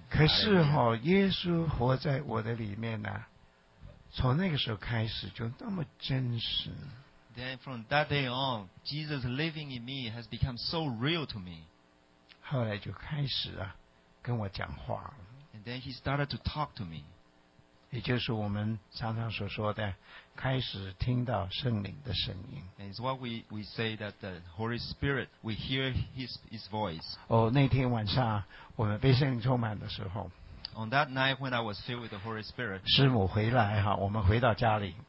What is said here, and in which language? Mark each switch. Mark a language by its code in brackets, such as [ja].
[zh] 可是哈，耶稣活在我的里面呢，从那个时候开始就那么真实。 [en] Then from that day on, Jesus living in me has become so real to me. [zh] 后来就开始啊，跟我讲话。 [en] And then he started to talk to me. [zh] 也就是我们常常所说的，开始听到圣灵的声音。 [en] And it's what we say that the Holy Spirit, we hear his voice. [zh] 哦，那天晚上我们被圣灵充满的时候。 [en] On that night when I was filled with the Holy Spirit. [zh] 师母回来哈，我们回到家里。